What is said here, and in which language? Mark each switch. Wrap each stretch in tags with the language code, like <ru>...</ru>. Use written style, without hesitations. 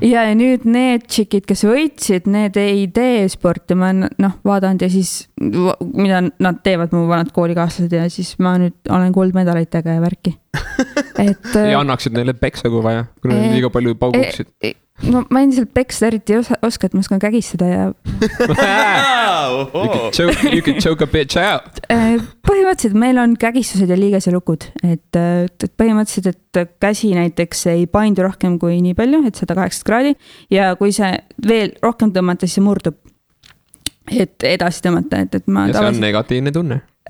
<et>Ja nüüd need tšikid, kes võitsid, need ei tee sporti. Ma olen vaadanud ja siis, mida nad teevad mu vanad koolikaaslased ja siis ma nüüd olen kuldmedalitega ja värki. Ja annaksid neile peksa kui vaja, kui nad liiga palju pauguksid. Ma endiselt peksa eriti oska, et ma oskan kägistada ja...</et> <en>You can choke a bitch out.</en> <et>Põhimõtteliselt meil on kägistused ja liigese lukud. Põhimõtteliselt, et käsi näiteks ei paindu rohkem kui nii palju, et 180 graadi. Ja kui see veel rohkem tõmmata, siis see murdub. Et edasi tõmmata. Ja see on negatiivne tunne.</et>